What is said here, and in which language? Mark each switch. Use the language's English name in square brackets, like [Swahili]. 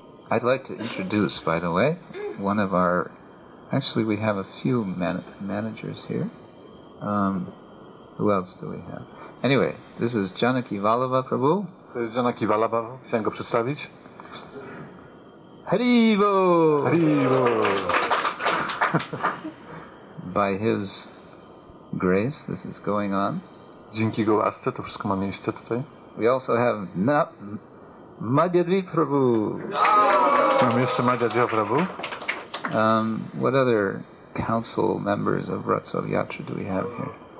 [English] I'd like to introduce, by the way, one of our... Actually, we have a few managers here. Who else do we have? Anyway, this is Janaki Vallabha Prabhu. [Polish] To jest Janaki Vallabha. Chciałem go przedstawić. Haribo! Haribo! [English] By His grace, this is going on. [Polish] Dzięki Jego łasce to wszystko ma miejsce tutaj. [English] We also have Madhyadri Prabhu. [Polish] Mamy jeszcze Madhyadri Prabhu. [English] What other council members of Ratsav Yatra do we have here?